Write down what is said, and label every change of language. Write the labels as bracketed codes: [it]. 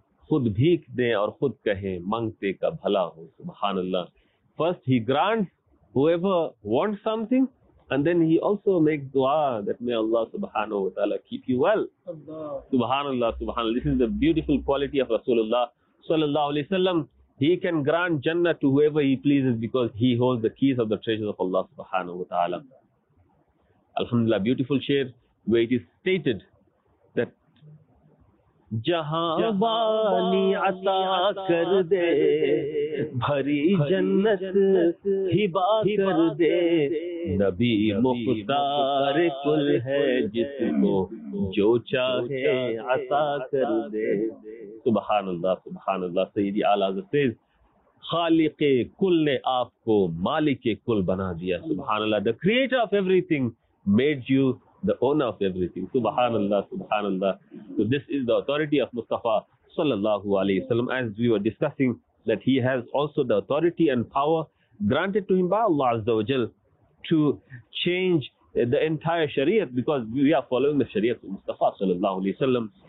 [ur] خود بھیک دیں اور خود کہیں مانگتے کا بھلا ہو. سبحان اللہ. [en] First he grants whoever wants something, and then he also makes dua that may Allah subhanahu wa ta'ala keep you well. سبحان اللہ, سبحان اللہ. This is the beautiful quality of Rasulullah sallallahu alayhi wa sallam. He can grant Jannah to whoever he pleases because he holds the keys of the treasures of Allah subhanahu wa ta'ala. Alhamdulillah, beautiful share where it is stated that [ur] جہاں والی عطا کر دے بھری جنت ہبا کر دے نبی مختار کل ہے جس کو جو چاہے عطا کر دے. سبحان اللہ, سبحان اللہ. سیدی اعلی حضرت سے خالق کل نے آپ کو مالک کل بنا دیا. [en] سبحان اللہ, the creator of everything made you the owner of everything. Subhanallah, subhanallah. So this is the authority of Mustafa sallallahu alayhi wa sallam, as we were discussing that he has also the authority and power granted to him by Allah azza wa jal to change the entire shariat, because we are following the shariat of Mustafa sallallahu alayhi wa sallam.